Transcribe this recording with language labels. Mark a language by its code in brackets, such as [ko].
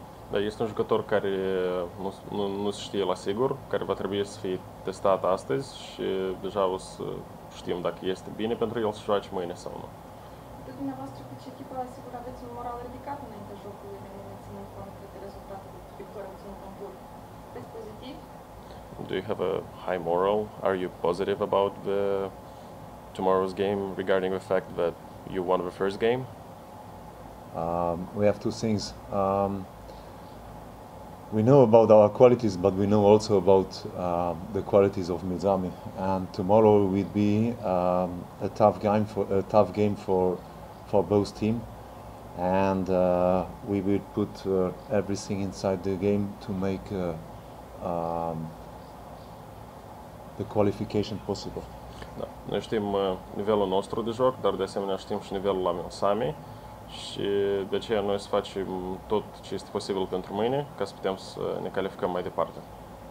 [ro] Da, este un jucător care nu se știe la sigur, care va trebui să fie testat astăzi și deja o să știm dacă este bine pentru el să joace mâine sau nu. De dumneavoastră, cu ce echipă, la sigur, aveți un moral ridicat înainte jocului, de mine, ținând cont de rezultatul victoriei în concurs. Aveți pozitiv? [en] Do you have a high moral? Are you positive about the tomorrow's game regarding the fact that you won the first game? We have two things. We know about our qualities, but we know also about the qualities of Milsami. And tomorrow will be a tough game for both teams. And we will put everything inside the game to make the qualification possible. [ro] Da. Noi știm nivelul nostru de joc, dar de asemenea știm și nivelul la Milsami. Și de aceea noi să facem tot ce este posibil pentru mâine, ca să putem să ne calificăm mai departe.